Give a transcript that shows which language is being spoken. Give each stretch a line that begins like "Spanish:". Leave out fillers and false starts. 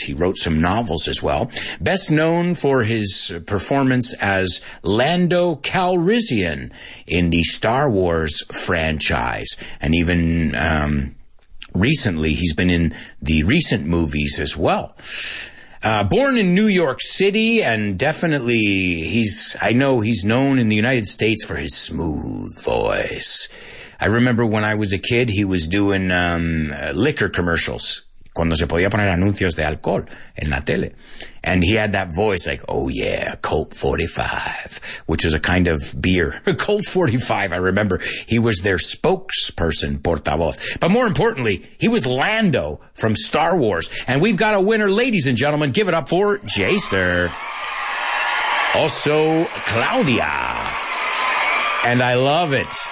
English: He wrote some novels as well. Best known for his performance as Lando Calrissian in the Star Wars franchise, and even recently, he's been in the recent movies as well. Born in New York City, and definitely he's known in the United States for his smooth voice. I remember when I was a kid, he was doing liquor commercials.
Spanish: Cuando se podía poner anuncios de alcohol en la tele.
English: And he had that voice like, oh yeah, Colt 45, which is a kind of beer. Colt 45, I remember. He was their spokesperson, portavoz. But more importantly, he was Lando from Star Wars. And we've got a winner, ladies and gentlemen. Give it up for Jaster. Also, Claudia. And I love it.